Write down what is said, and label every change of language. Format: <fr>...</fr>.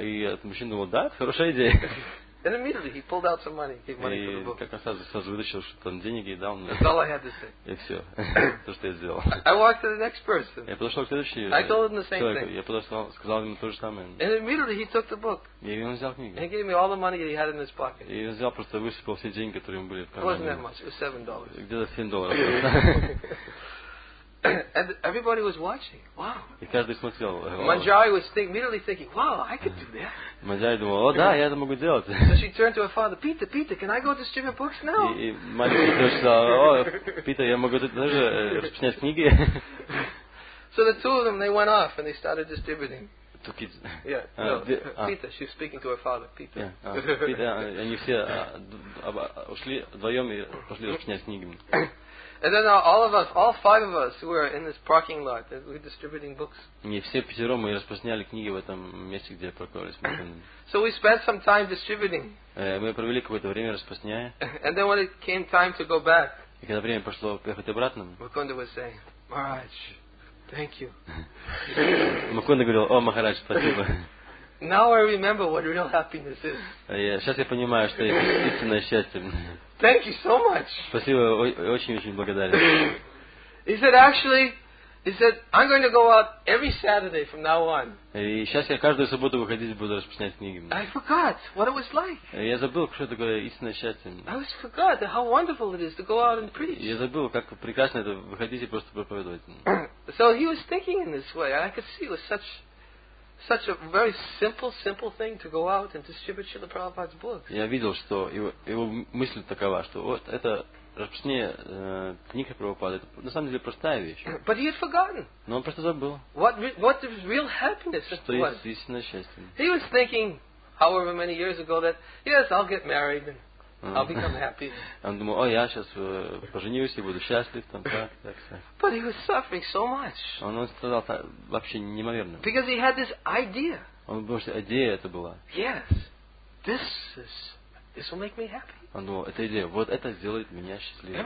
<ru>И этот мужчина думал, да, хорошая идея.</ru> <en>And immediately he pulled out some money, gave money for the book.</en> <ru>И как сразу вытащил, что там денег и дал мне.</ru> <en>That's all I had to say.</en> <ru>И все, то, что я сделал.</ru> <en>I walked to the next person.</en> <ru>Я подошел к следующему.</ru> <en>I told him the same thing.</en> <ru>Я подошел, сказал ему то же самое.</ru> <en>And immediately he took the book.</en> <ru>И он взял книгу.</ru> <en>And gave me all the money that he had in his pocket.</en> <ru>И он взял, просто высыпал все деньги, которые ему были в кармане.</ru> <en>It wasn't that much. It was $7.</en> <ru>Где-то $7.</ru> <en>And everybody was watching. Wow.</en> <ru>И каждый смотрел.</ru> <en>Manjari was immediately thinking, wow, I could do that.</en> <ru>Manjari думал, о да, я это могу делать.</ru> <en>So she turned to her father, Peter, can I go distribute books now?</en> <ru>И мальчик сказал, о, Питер, я могу тоже распечатать книги.</ru> <en>So the two of them, they went off and they started distributing. Two kids. Peter, she was speaking to her father, Peter.</en> <ru>Питер, они все ушли вдвоем и пошли распечатать книги.</ru> <en>And then all of us, all five of us, who were in this parking lot, we were distributing books.</en> <ru>Не все пятером мы распространяли книги в этом месте, где парковались.</ru> <en>So we spent some time distributing.</en> <ru>Мы провели какое-то время распространяя.</ru> <en>And then when it came time to go back.</en> <ru>И когда время пошло поехать обратно.</ru> <en>Mukunda was saying, Maharaj, thank you.</en> <ru>Макунда говорил, о, Махарадж, спасибо.</ru> <en>Now I remember what real happiness is.</en> <ru>Сейчас я понимаю, что истинное счастье.</ru> <en>Thank you so much.</en> <ru>Спасибо, очень-очень благодарен.</ru> <en>He said, actually, he said, I'm going to go out every Saturday from now on.</en> <ru>И сейчас я каждую субботу выходить буду распечатать книги.</ru> <en>I forgot what it was like.</en> <ru>Я забыл, что такое истинное счастье.</ru> <en>I forgot how wonderful it is to go out and preach.</en> <ru>Я забыл, как прекрасно это выходить и просто проповедовать.</ru> <en>So he was thinking in this way. I could see it was such a very simple thing to go out and distribute Srila Prabhupada's books.</en> <ru>Я видел, что его мысль такова, что вот это распечатание книги Прабхупады, это на самом деле простая вещь.</ru> <en>But he had forgotten.</en> <ru>Но он просто забыл.</ru> <en>What is real happiness?</en> <ru>Что есть истинное счастье?</ru> <en>He was thinking, however many years ago, that yes, I'll get married and I'll become happy.</en> <ru>Он думал, о, я сейчас поженюсь и буду счастлив там, так.</ru> <en>But he was suffering so much.</en> <ru>Он страдал так, вообще неимоверно.</ru> <en>Because he had this idea.</en> <ru>Он думал, что идея это была.</ru> <en>Yes, this will make me happy.</en> <ru>Он думал, эта идея, вот это сделает меня счастливым.</ru>